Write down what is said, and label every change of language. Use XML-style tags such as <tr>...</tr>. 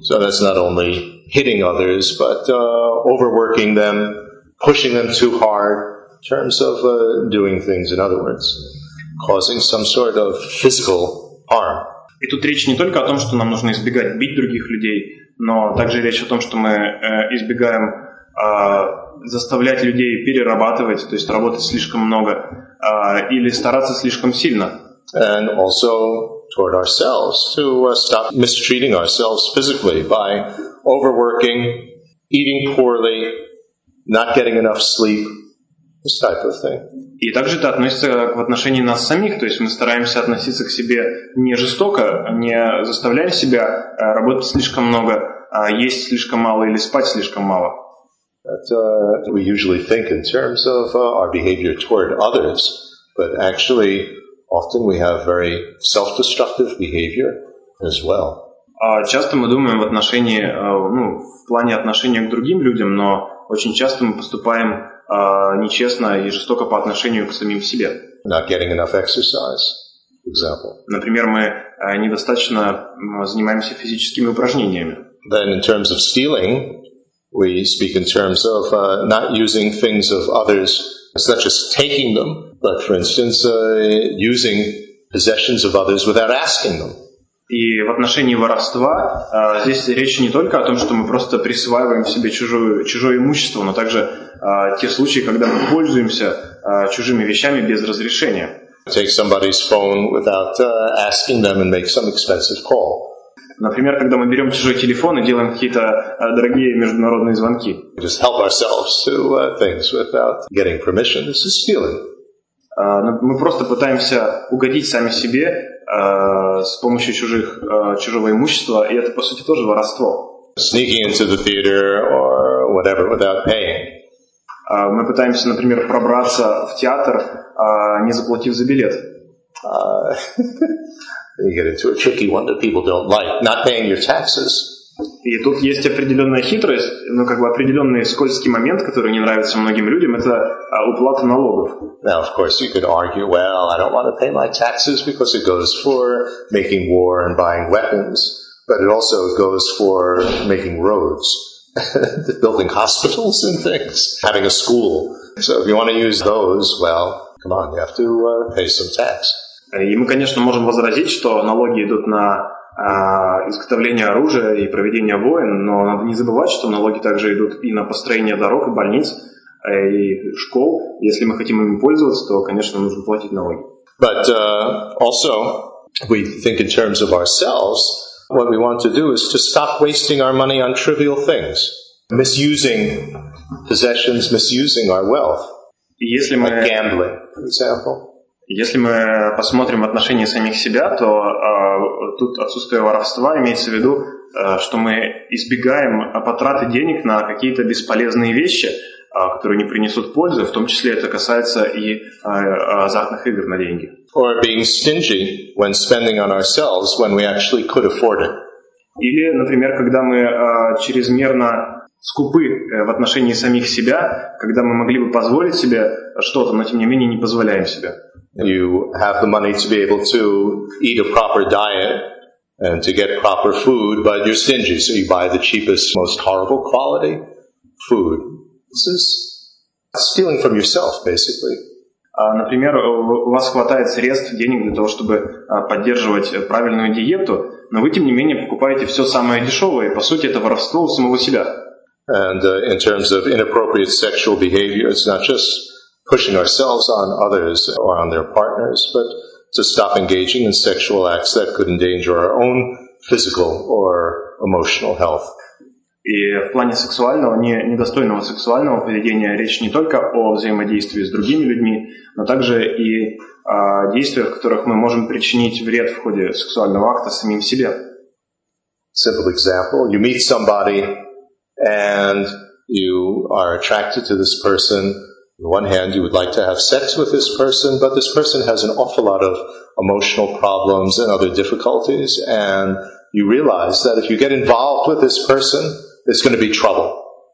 <en>So that's not only hitting others, but overworking them, pushing them too hard, in terms of doing things, in other words, causing some sort of physical harm.</en> <ru>И тут речь не только о том, что нам нужно избегать бить других людей, но также речь о том, что мы избегаем заставлять людей перерабатывать, то есть работать слишком много, или стараться слишком сильно.</ru> <en>And also toward ourselves, to stop mistreating ourselves physically by overworking, eating poorly, not getting enough sleep, this type of thing.</en> <ru>И также это относится к отношении нас самих, то есть мы стараемся относиться к себе не жестоко, не заставляя себя работать слишком много, есть слишком мало или спать слишком мало.</ru> <en>But, we usually think in terms of our behavior toward others, but actually often we have very self-destructive behavior as well.</en> <ru>Часто мы думаем в отношении, ну, в плане отношения к другим людям, но очень часто мы поступаем нечестно и жестоко по отношению к самим себе.</ru> <en>Not getting enough exercise, for example.</en> <ru>Например, мы недостаточно занимаемся физическими упражнениями.</ru> <en>Then in terms of stealing, we speak in terms of not using things of others. It's not just taking them, but, for instance, using possessions of others without asking them.</en> <ru>И в отношении воровства здесь речь не только о том, что мы просто присваиваем себе чужое имущество, но также те случаи, когда мы пользуемся чужими вещами без разрешения.</ru> <en>Take somebody's phone without asking them and make some expensive call.</en> <ru>Например, когда мы берем чужой телефон и делаем какие-то дорогие международные звонки.</ru> <en>Just help ourselves to things without getting permission. This is stealing.</en> <ru>Мы просто пытаемся угодить сами себе с помощью чужого имущества, и это, по сути, тоже воровство.</ru> <en>Sneaking into the theater or whatever without paying.</en> <ru>Мы пытаемся, например, пробраться в театр, не заплатив за билет.</ru> <en>You get into a tricky one that people don't like, not paying your taxes.</en> <ru>И тут есть определенная хитрость, ну, как бы определенный скользкий момент, который не нравится многим людям, это уплата налогов.</ru> <en>Now, of course, you could argue, well, I don't want to pay my taxes because it goes for making war and buying weapons, but it also goes for making roads, building hospitals and things, having a school. So if you want to use those, well, come on, you have to pay some tax.</en> <ru>И мы, конечно, можем возразить, что налоги идут на изготовление оружия и проведение войн, но надо не забывать, что налоги также идут и на построение дорог, и больниц, и школ. Если мы хотим ими пользоваться, то, конечно, нужно платить налоги.</ru> <en>But also, we think in terms of ourselves, what we want to do is to stop wasting our money on trivial things, misusing possessions, misusing our wealth, like gambling, for example.</en> <ru>Если мы посмотрим в отношении самих себя, то тут отсутствие воровства имеется в виду, что мы избегаем потраты денег на какие-то бесполезные вещи, которые не принесут пользы, в том числе это касается и азартных игр на деньги.</ru> <en>Or being stingy when spending on ourselves when we actually could afford it.</en> <ru>Или, например, когда мы чрезмерно скупы в отношении самих себя, когда мы могли бы позволить себе что-то, но тем не менее не позволяем себе.</ru> <en>You have the money to be able to eat a proper diet and to get proper food, but you're stingy, so you buy the cheapest, most horrible quality food. This is stealing from yourself, basically.</en> <ru>Например, у вас хватает средств, денег для того, чтобы поддерживать правильную диету, но вы, тем не менее, покупаете все самое дешевое, и, по сути, это воровство у самого себя.</ru> <en>And in terms of inappropriate sexual behavior, it's not just pushing ourselves on others or on their partners, but to stop engaging in sexual acts that could endanger our own physical or emotional health.</en> <ru>И в плане сексуального, недостойного сексуального поведения речь не только о взаимодействии с другими людьми, но также и о действиях, в которых мы можем причинить вред в ходе сексуального акта самим себе.</ru> <en>Simple example. You meet somebody and you are attracted to this person. On one hand, you would like to have sex with this person, but this person has an awful lot of emotional problems and other difficulties, and you realize that if you get involved with this person, it's going to be trouble.</en>